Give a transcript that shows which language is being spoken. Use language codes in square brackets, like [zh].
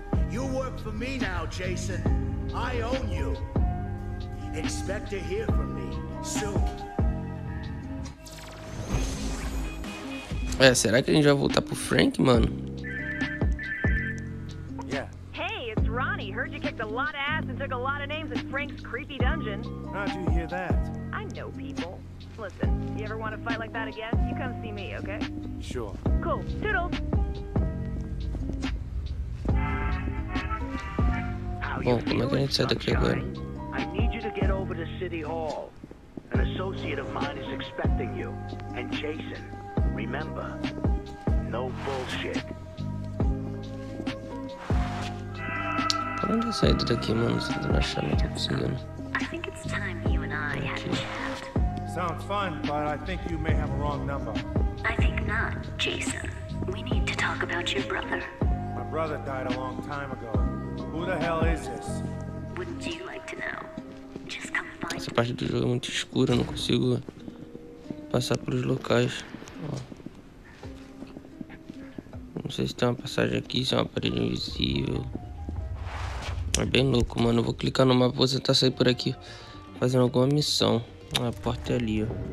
[en] You work for me now, Jason. I own you. Expect to hear from me soon. [pt] É, será que a gente vai voltar pro Frank, mano? [en] Yeah. Hey, it's Ronnie. Heard you kicked a lot of ass and took a lot of names in Frank's creepy dungeon. How'd you hear that? I know people. Listen, you ever want to fight like that again? You come see me, okay? Sure. Cool. Toodles. [pt] Bom, como é que a gente sai daqui agora? [en] I need you to get over to City Hall. An associate of mine is expecting you. And Jason, remember, no bullshit. [pt] Por onde eu saí daqui, mano? Você tá achando que eu tô conseguindo? [en] I think it's time you and I had a chat. Sounds fun, but I think you may have a wrong number. I think not, Jason. We need to talk about your brother. My brother died a long time ago. Who the hell is this? Wouldn't you like to know? Just come find me. [pt] Essa parte do jogo é muito escura, não consigo passar pelos locais. Ó. Não sei se tem uma passagem aqui, se é uma parede invisível. É bem louco, mano. Eu vou clicar no mapa, vou tentar sair por aqui fazendo alguma missão. Ah, a porta é ali, ó.